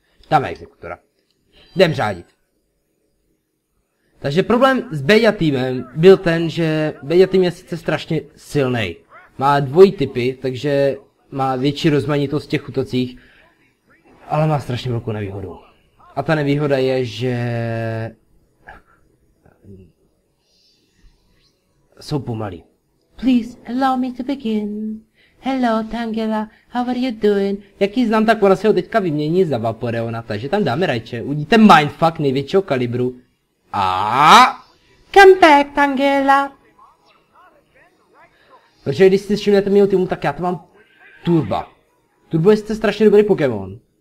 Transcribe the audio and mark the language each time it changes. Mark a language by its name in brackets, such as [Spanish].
[Czech] Dáme exekutora. Jdem řádit. Takže problém s Beja týmem byl ten, že Beja tým je sice strašně silný. Má dvojí typy, takže má větší rozmanitost v těch útocích, ale má strašně velkou nevýhodu. A ta nevýhoda je, že jsou pomalí. [English] Please allow me to begin. Hello Tangela, how are you doing? [Czech] Jaký znám, tak ona se ho teďka vymění za Vaporeona, takže tam dáme rajče. Uvidíte mindfuck největšího kalibru. A [English] come back, Tangela. [Czech] Protože když si všimnete mýho týmu, tak já to mám Turba. Turbo je sice strašně dobrý Pokémon.